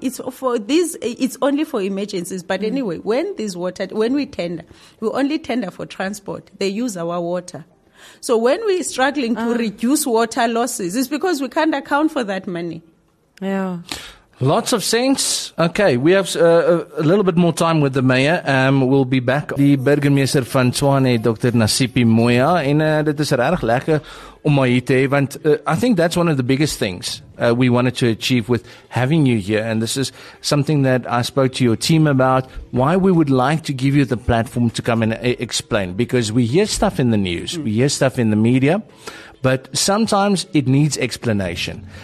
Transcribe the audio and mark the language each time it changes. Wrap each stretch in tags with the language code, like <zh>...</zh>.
<en>It's only for emergencies. But anyway, when we tender, we only tender for transport. They use our water. So when we're struggling to reduce water losses, it's because we can't account for that money. Yeah. Lots of sense. Okay, we have a little bit more time with the mayor. We'll be back.</en> <af>Die burgemeester van Tshwane, Dr. Nasipi Moya. En dit is regtig lekker om my hier te hê, want</af> <en>I think that's one of the biggest things we wanted to achieve with having you here. And this is something that I spoke to your team about, why we would like to give you the platform to come and explain. Because we hear stuff in the news, we hear stuff in the media, but sometimes it needs explanation.</en>